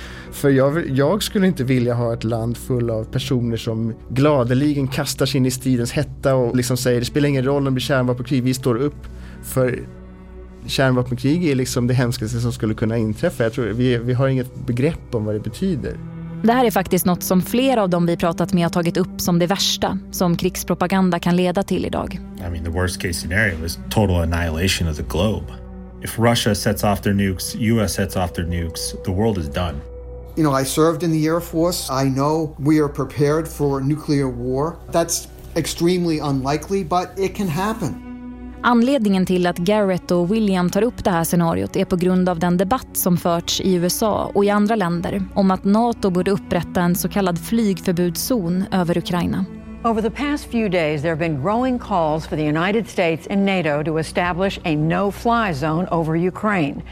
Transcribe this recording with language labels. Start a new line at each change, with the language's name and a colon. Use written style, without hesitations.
Swedish: För jag skulle inte vilja ha ett land full av personer som gladeligen kastar sig in i stridens hetta och liksom säger det spelar ingen roll om det blir kärnvapenkrig, vi står upp. För kärnvapenkrig är liksom det hemskaste som skulle kunna inträffa. Jag tror vi har inget begrepp om vad det betyder. Det här är faktiskt något som flera av dem vi pratat med har tagit upp som det värsta som krigspropaganda kan leda till idag.
English: I mean, the worst case scenario is total annihilation of the globe. If Russia sets off their nukes, US sets off their nukes, the world is done. You know, I served in the Air Force. I know we are prepared for nuclear war. That's extremely unlikely, but it can happen.
Swedish: Anledningen till att Garrett och William tar upp det här scenariot är på grund av den debatt som förts i USA och i andra länder om att NATO borde upprätta en så kallad flygförbudszon över Ukraina.
English: Over the past few days there have been growing calls for the United States and NATO to establish a no-fly zone over Ukraine.